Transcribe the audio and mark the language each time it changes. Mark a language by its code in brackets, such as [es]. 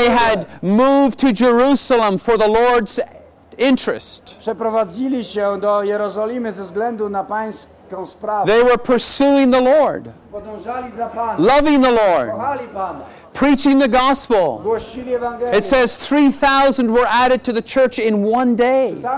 [en] They had moved to Jerusalem for the Lord's interest. [pl] Przeprowadzili się do Jerozolimy ze względu na pańską. [en] They were pursuing the Lord, loving the Lord, preaching the gospel. It says 3,000 were added to the church in one day.